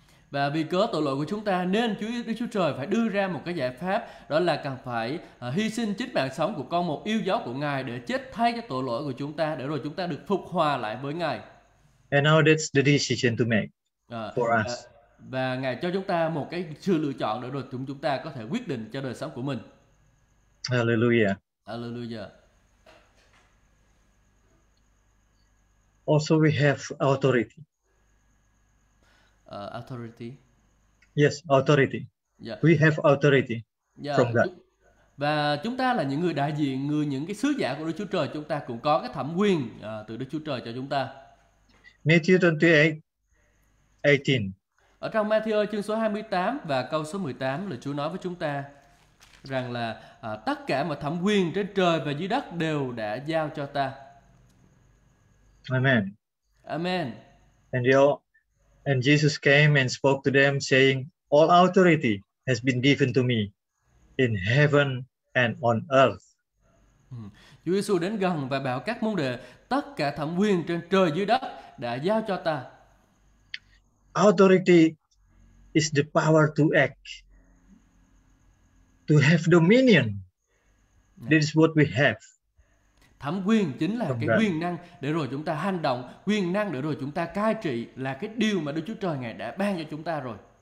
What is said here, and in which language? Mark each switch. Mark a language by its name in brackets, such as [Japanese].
[Vietnamese] Và vì cớ tội lỗi của chúng ta nên Chúa Đức Chúa Trời phải đưa ra một cái giải pháp, đó là cần phải hy sinh chính mạng sống của con một yêu dấu của Ngài để chết thay cho tội lỗi của chúng ta, để rồi chúng ta được phục hòa lại với Ngài. [English] And now that's the decision to make for us. [Vietnamese] Và Ngài cho chúng ta một cái sự lựa chọn để rồi chúng ta có thể quyết định cho đời sống của mình. [English] Hallelujah. Hallelujah. Also we have authority. Authority. Yes, authority. Yeah. We have authority from God. [Vietnamese] Và chúng ta là những người đại diện, người những cái sứ giả của Đức Chúa Trời, chúng ta cũng có cái thẩm quyền từ Đức Chúa Trời cho chúng ta. [English] Matthew 28:18. [Vietnamese] Ở trong Matthew chương số 28 và câu số 18 là Chúa nói với chúng ta rằng là tất cả mọi thẩm quyền trên trời và dưới đất đều đã giao cho ta. [English] Amen. Amen. And you all. And Jesus came and spoke to them, saying, "All authority has been given to me in heaven and on earth." [Vietnamese] Chúa Giêsu đến gần và bảo các môn đệ, tất cả thẩm quyền trên trời dưới đất đã giao cho ta. [English] Authority is the power to act, to have dominion. That is what we have. [Vietnamese] Thẩm quyền chính là cái quyền năng để rồi chúng ta hành động, quyền năng để rồi chúng ta cai trị là cái điều mà Đức Chúa Trời Ngài đã ban cho chúng ta rồi.